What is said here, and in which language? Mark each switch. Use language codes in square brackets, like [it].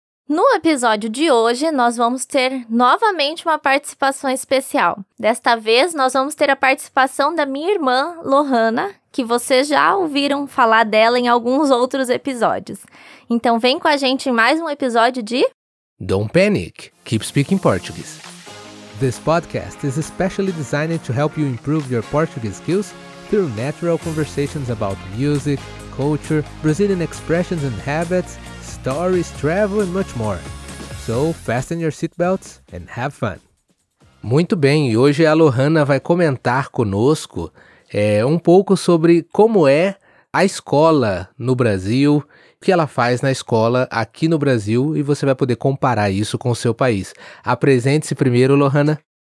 [pt] No episódio de hoje, nós vamos ter novamente uma participação especial. Desta vez, nós vamos ter a participação da minha irmã, Lohana, que vocês já ouviram falar dela em alguns outros episódios. Então, vem com a gente em mais um episódio de... [en] Don't panic. Keep speaking Portuguese. This podcast is especially designed to help you improve your Portuguese skills through natural conversations about music, culture, Brazilian expressions and habits, stories, travel and much more. So, fasten your seatbelts and have fun. [pt] Muito bem, e hoje a Lohana vai comentar conosco um pouco sobre como é a escola no Brasil, o que ela faz na escola aqui no Brasil, e você vai poder comparar isso com o seu país. Apresente-se primeiro, Lohana.